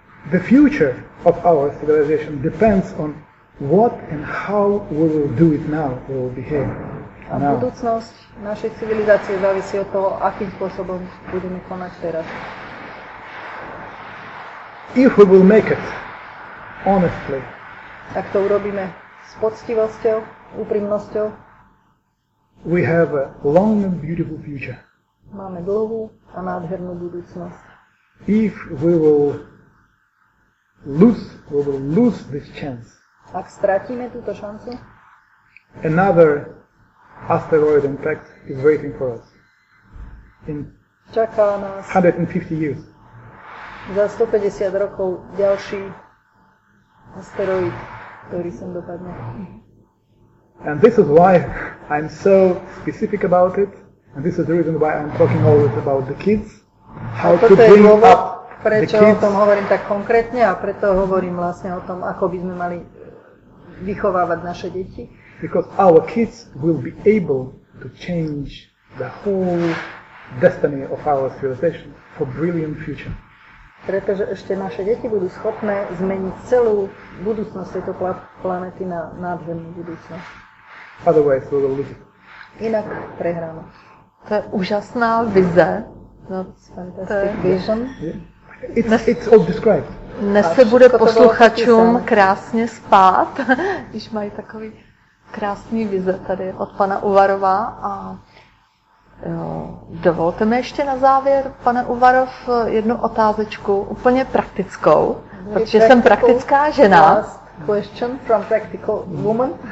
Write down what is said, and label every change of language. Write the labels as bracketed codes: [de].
[en] The future of our civilization depends on what and how we will do it now, we will behave. [sk] A budúcnosť našej civilizácie závisí od toho, akým spôsobom budeme konať teraz. [en] If we will make it honestly, [sk] ak to urobíme s poctivosťou, úprimnosťou, [en] We have a long and beautiful future. [cs] Máme dlouhou a nádhernou budoucnost. [en] If we will lose this chance. [sk] Ak ztratíme tuto šancu? [en] Another asteroid impact is waiting for us. In [sk] čaká nás [en] 150 years. [sk] Za 150 rokov ďalší asteroid, ktorý sem dopadne. [en] And this is why I'm so specific about it, and this is the reason why I'm talking always about the kids, how to bring up prečo the kids. [sk] O tom hovorím tak konkrétne a preto hovorím vlastne o tom, ako by sme mali vychovávať naše deti. [en] Because our kids will be able to change the whole destiny of our civilization for brilliant future. [sk] Pretože ešte naše deti budú schopné zmeniť celú budúcnosť tejto planety na nádhernú budúcnosť. [en] Otherwise we will lose. [sk] Inak prehráme. [cs] To je úžasná vize. [en] No, fantastic vision. Yeah. It's all described. [cs] Dnes se bude posluchačům krásně spát, když mají takový krásný vize tady od pana Uvarova. A dovolte mi ještě na závěr, pane Uvarov, jednu otázečku, úplně praktickou, protože jsem praktická žena. [en] Question from practical woman.